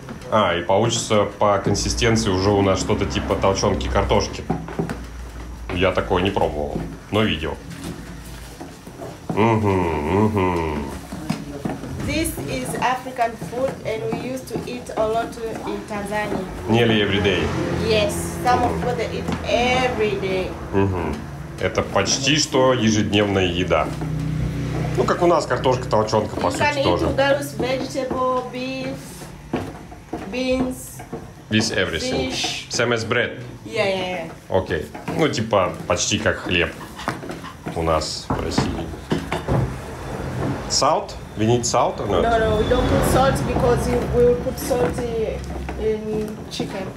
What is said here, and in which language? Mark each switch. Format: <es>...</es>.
<ru>А, и получится по консистенции уже у нас что-то типа толченки картошки. Я такое не пробовал, но видел.</ru> <en>This is African food and we used to eat a lot in Tanzania. Nearly every day. Yes, some of food they eat every day.</en> <ru>Это почти что ежедневная еда. Ну, как у нас картошка, толченка, по сути, тоже.</ru> <en>You can eat those vegetable, beef, beans, this everything. Fish. Same as bread. Yeah.</en> <ru>Окей. Okay. Ну, типа, почти как хлеб у нас в России.</ru> <en>Salt? We need salt or not? No, we don't put salt because we will put salt in chicken.</en>